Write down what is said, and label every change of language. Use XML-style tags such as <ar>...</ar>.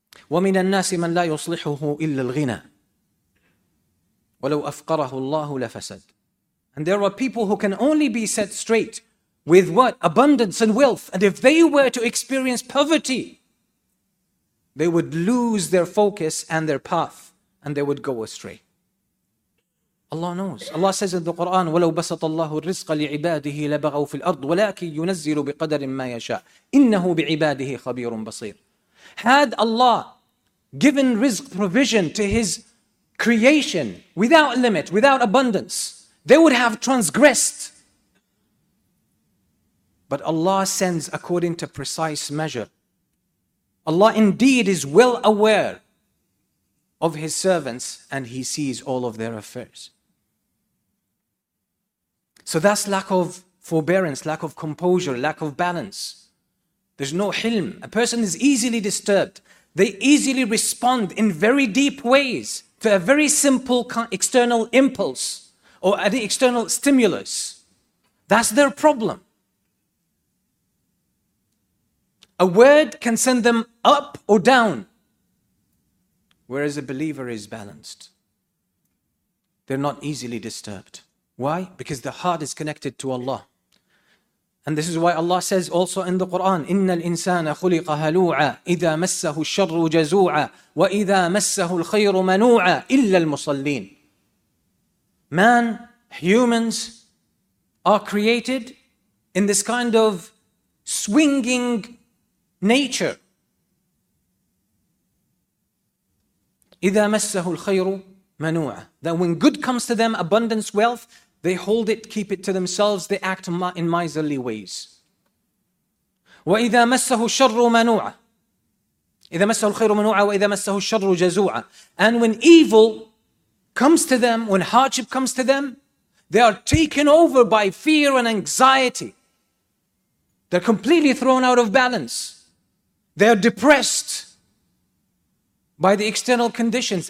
<ar>وَمِنَ النَّاسِ مَنْ لَا يُصْلِحُهُ إِلَّا الْغِنَى وَلَوْ أَفْقَرَهُ اللَّهُ لَفَسَدْ.</ar> <en>And there are people who can only be set straight with what? Abundance and wealth. And if they were to experience poverty, they would lose their focus and their path, and they would go astray. Allah knows. Allah says in the Quran,</en> <ar>وَلَوْ بَسَطَ اللَّهُ الرِّزْقَ لِعِبَادِهِ لَبَغَوْا فِي الْأَرْضِ وَلَكِنْ يُنَزِّلُ بِقَدَرٍ مَّا يَشَاءُ إِنَّهُ بِعِبَادِهِ خَبِيرٌ بَصِيرٌ.</ar> <en>Had Allah given rizq, provision to His creation without limit, without abundance, they would have transgressed. But Allah sends according to precise measure. Allah indeed is well aware of His servants, and He sees all of their affairs. So that's lack of forbearance, lack of composure, lack of balance. There's no hilm. A person is easily disturbed. They easily respond in very deep ways to a very simple external impulse or an external stimulus. That's their problem. A word can send them up or down, whereas a believer is balanced. They're not easily disturbed. Why? Because the heart is connected to Allah. And this is why Allah says also in the Quran,</en> <ar>إِنَّ الْإِنسَانَ خُلِقَ هَلُوعًا إِذَا مَسَّهُ الشَّرُّ جَزُوعًا وَإِذَا مَسَّهُ الْخَيْرُ مَنُوعًا إِلَّا الْمُصَلِّينَ.</ar> <en>Man, humans are created in this kind of swinging nature.</en> <ar>إِذَا مَسَّهُ الْخَيْرُ مَنُوعًا.</ar> <en>That when good comes to them, abundance, wealth, they hold it, keep it to themselves, they act in miserly ways.</en> <ar>وَإِذَا مَسَّهُ الشَّرُّ مَنُوعًا. إِذَا مَسَّهُ الْخَيْرُ مَنُوعًا وَإِذَا مَسَّهُ الشَّرُّ جَزُوعًا.</ar> <en>And when evil comes to them, when hardship comes to them, they are taken over by fear and anxiety. They're completely thrown out of balance. They are depressed by the external conditions.</en>